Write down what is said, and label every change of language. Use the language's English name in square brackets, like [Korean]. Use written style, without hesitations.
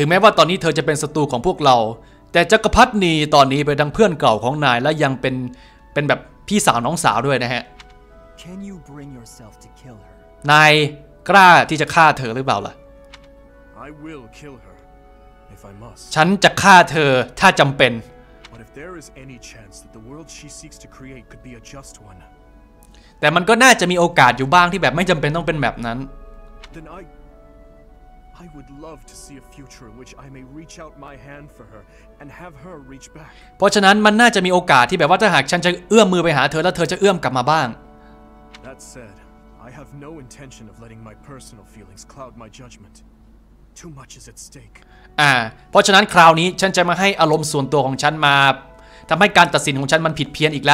[Thai] งแม้ว่าตอนนี้เธอจะเป็นศัตรูของพวกเราแต่จักรพรรดินีตอนนี้เป็นทั้งเพื่อนเก่าของนายและยังเป็นแบบพี่สาวน้องสาวด้วยนะฮะ [English] Can you bring yourself to kill her? [Thai] นายกล้าที่จะฆ่าเธอหรือเปล่าล่ะ [English] I will kill her if I must. [Thai] ฉันจะฆ่าเธอถ้าจำเป็น [English] But if there is any chance that the world she seeks to create could be a just one. [Thai] แต่มันก็น่าจะมีโอกาสอยู่บ้างที่แบบไม่จำเป็นต้องเป็นแบบนั้น [English] Then I would love to see a future in which I may reach out my hand for her and have her reach back. [Thai] เพราะฉะนั้นมันน่าจะมีโอกาสที่แบบว่าถ้าหากฉันจะเอื้อมมือไปหาเธอแล้วเธอจะเอื้อมกลับมาบ้าง [English] That said, I have no intention of letting my personal feelings cloud my judgment. Too much is at stake. [Thai] เพราะฉะนั้นคราวนี้ฉันจะมาให้อารมณ์ส่วนตัวของฉันมาทำให้การตัดสินของฉันมันผิดเพี้ยนอีกแล